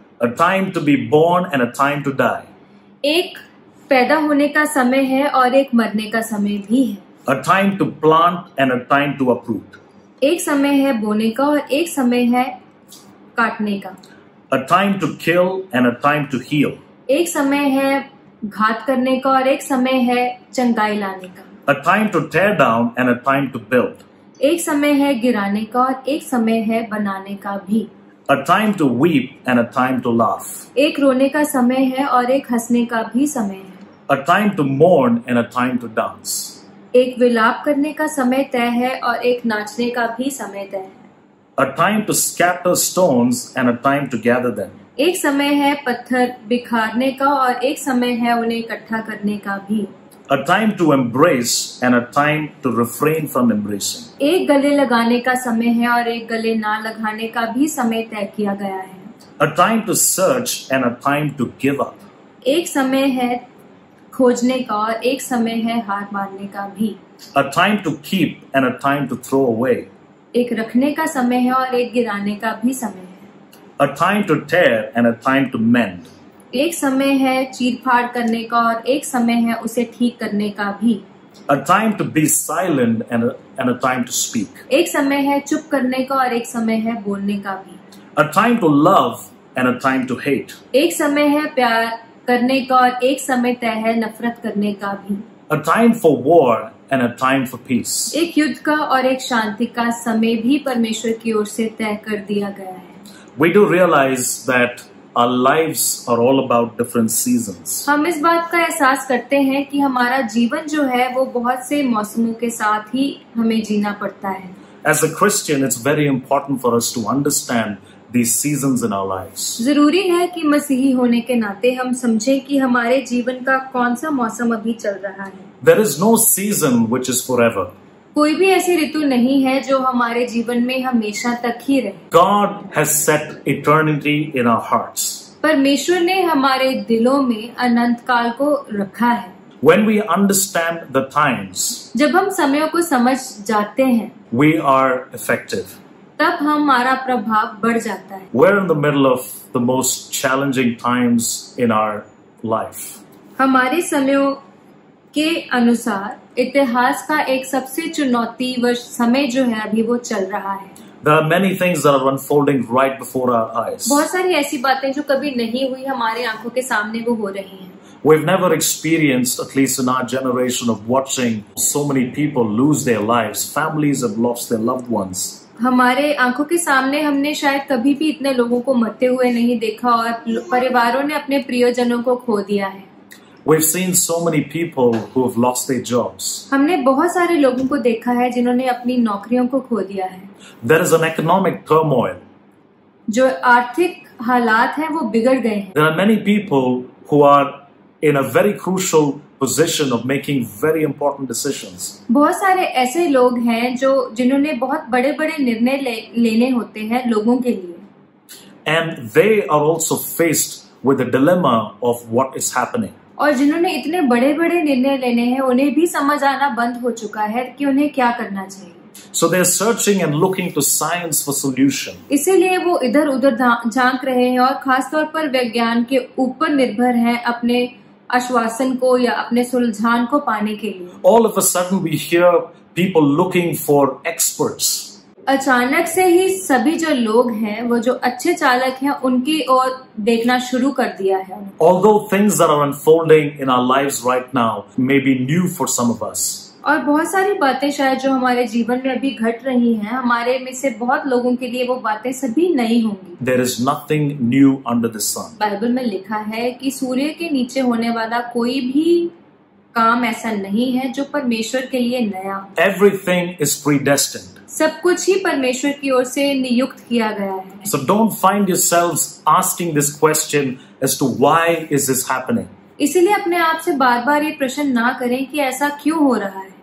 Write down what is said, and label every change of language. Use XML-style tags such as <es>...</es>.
<en>A time to be born and a time to die।</en> <hi>एक पैदा होने का समय है और एक मरने का समय भी है।</hi> <en>A time to plant and a time to uproot।</en> <hi>एक समय है बोने का और एक समय है काटने का।</hi> <en>A time to kill and a time to heal।</en> <hi>एक समय है घात करने का और एक समय है चंगाई लाने का।</hi> <en>A time to tear down and a time to build।</en> <hi>एक समय है गिराने का और एक समय है बनाने का भी।</hi> <en>A time to weep and a time to laugh।</en> <hi>एक रोने का समय है और एक हंसने का भी समय है।</hi> <en>A time to mourn and a time to dance।</en> <hi>एक विलाप करने का समय तय है और एक नाचने का भी समय तय है।</hi> <en>A time to scatter stones and a time to gather them।</en> <hi>एक समय है पत्थर बिखारने का और एक समय है उन्हें इकट्ठा करने का भी।</hi> <en>A time to embrace and a time to refrain from embracing।</en> <hi>एक गले लगाने का समय है और एक गले ना लगाने का भी समय तय किया गया है।</hi> <en>A time to search and a time to give up।</en> <hi>एक समय है खोजने का और एक समय है हार मानने का भी।</hi> <en>A time to keep and a time to throw away।</en> <hi>एक रखने का समय है और एक गिराने का भी समय है।</hi> <en>A time to tear and a time to mend।</en> <hi>एक समय है चीर फाड़ करने का और एक समय है उसे ठीक करने का भी।</hi> <en>A time to be silent and a time to speak।</en> <hi>एक समय है चुप करने का और एक समय है बोलने का भी।</hi> <en>A time to love and a time to hate।</en> <hi>एक समय है प्यार करने का और एक समय तय है नफरत करने का भी।</hi> <en>A time for war and a time for peace।</en> <hi>एक युद्ध का और एक शांति का समय भी परमेश्वर की ओर से तय कर दिया गया है।</hi> <en>We do realize that our lives are all about different seasons।</en> <hi>हम इस बात का एहसास करते हैं कि हमारा जीवन जो है वो बहुत से मौसमों के साथ ही हमें जीना पड़ता है।</hi> <en>As a Christian, it's very important for us to understand these seasons in our lives।</en> <hi>जरूरी है कि मसीही होने के नाते हम समझें कि हमारे जीवन का कौन सा मौसम अभी चल रहा है।</hi> <en>There is no season which is forever।</en> <hi>कोई भी ऐसी ऋतु नहीं है जो हमारे जीवन में हमेशा तक ही रहे।</hi> <en>God has set eternity in our hearts।</en> <hi>परमेश्वर ने हमारे दिलों में अनंत काल को रखा है।</hi> <en>When we understand the times,</en> <hi>जब हम समयों को समझ जाते हैं,</hi> <en>we are effective।</en> <hi>तब हमारा प्रभाव बढ़ जाता है।</hi> <en>We're in the middle of the most challenging times in our life।</en> <hi>हमारे समयों के अनुसार इतिहास का एक सबसे चुनौती वर्ष समय जो है अभी वो चल रहा है।</hi> <en>There are many things that are unfolding right before our eyes।</en> <hi>बहुत सारी ऐसी बातें जो कभी नहीं हुई हमारे आंखों के सामने वो हो रही हैं।</hi> <en>We've never experienced, at least in our generation, of watching so many people lose their lives, families have lost their loved ones।</en> <hi>हमारे आंखों के सामने हमने शायद कभी भी इतने लोगों को मरते हुए नहीं देखा और परिवारों ने अपने प्रियजनों को खो दिया है।</hi> <en>We've seen so many people who have lost their jobs।</en> <hi>हमने बहुत सारे लोगों को देखा है जिन्होंने अपनी नौकरियों को खो दिया है।</hi> <en>There is an economic turmoil।</en> <hi>जो आर्थिक हालात हैं वो बिगड़ गए हैं।</hi> <en>There are many people who are in a very crucial position of making very important decisions।</en> <hi>बहुत सारे ऐसे लोग हैं जो जिन्होंने बहुत बड़े बड़े निर्णय लेने होते हैं लोगों के लिए।</hi> <en>And they are also faced with the dilemma of what is happening।</en> <hi>और जिन्होंने इतने बड़े बड़े निर्णय लेने हैं उन्हें भी समझ आना बंद हो चुका है कि उन्हें क्या करना चाहिए।</hi> <en>So they're searching and looking to science for solution।</en> <hi>इसीलिए वो इधर उधर झांक रहे हैं और खासतौर पर विज्ञान के ऊपर निर्भर हैं अपने आश्वासन को या अपने सुलझान को पाने के लिए।</hi> <en>All of a sudden we hear people looking for experts।</en> <hi>अचानक से ही सभी जो लोग हैं वो जो अच्छे चालक हैं उनकी ओर देखना शुरू कर दिया है।</hi> <en>Although things that are unfolding in our lives right now may be new for some of us।</en> <hi>और बहुत सारी बातें शायद जो हमारे जीवन में अभी घट रही हैं, हमारे में से बहुत लोगों के लिए वो बातें सभी नई होंगी।</hi> <en>There is nothing new under the sun.</en> <hi>Bible में लिखा है कि सूर्य के नीचे होने वाला कोई भी काम ऐसा नहीं है जो परमेश्वर के लिए नया।</hi> <en>Everything is predestined.</en> <hi>सब कुछ ही परमेश्वर की ओर से नियुक्त किया गया है।</hi> <en>So don't find yourselves asking this question as to why is this happening.</en> <hi>इसीलिए अपने आप से बार बार ये प्रश्न ना करें कि ऐसा क्यों हो रहा है।</hi>